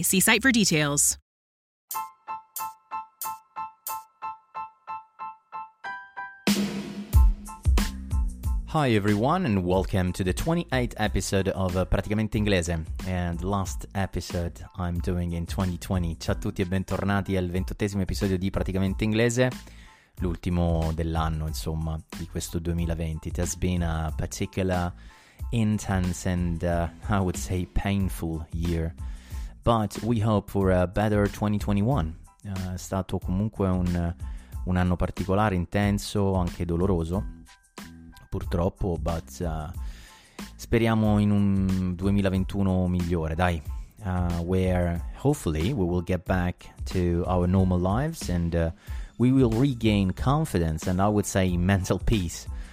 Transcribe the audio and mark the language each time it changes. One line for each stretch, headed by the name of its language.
English: See site for details. Hi everyone and welcome to the 28th episode of Praticamente Inglese and last episode I'm doing in 2020.
Italian: Ciao a tutti e bentornati al 28esimo episodio di Praticamente Inglese, l'ultimo dell'anno insomma di questo 2020.
English: It has been a particular intense and I would say painful year, but we hope for a better 2021.
Italian: È stato comunque un anno particolare, intenso, anche doloroso purtroppo,
English: but
Italian: speriamo in un 2021 migliore, dai,
English: where hopefully we will get back to our normal lives and we will regain confidence and I would say mental peace.